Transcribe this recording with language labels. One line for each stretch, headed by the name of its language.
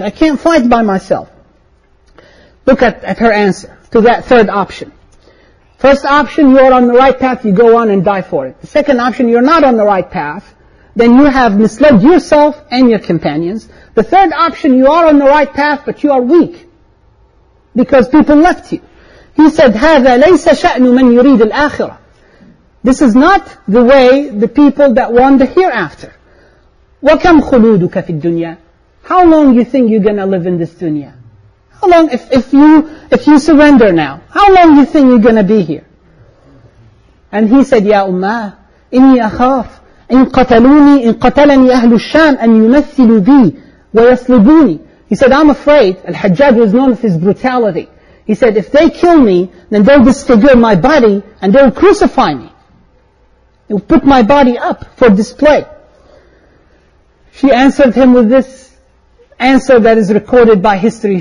English: I can't fight by myself. Look at her answer to that third option. First option, you're on the right path, you go on and die for it. The second option, you're not on the right path, then you have misled yourself and your companions. The third option, you are on the right path, but you are weak because people left you. He said,
Arabic: هَذَا لَيْسَ شَأْنُ مَنْ يُرِيدُ الْآخِرَةِ.
English: This is not the way the people that want the hereafter.
Arabic: وَكَمْ خُلُودُكَ فِي الدُّنْيَا.
English: How long you think you're gonna live in this dunya? How long, if you surrender now, how long you think you're gonna be here? And he said,
Arabic: يَا أُمَّا إِنِّي أَخَافُ إِنْ قَتَلُونِي إِنْ قَتَلَنِي أَهْلُ الشَّامِ أَنْ يُمَثِّلُ بِي وَيَسْلُبُونِي.
English: He said, I'm afraid. Al-Hajjaj was known for his brutality. He said, if they kill me, then they'll disfigure my body and they'll crucify me. They'll put my body up for display. She answered him with this answer that is recorded by history.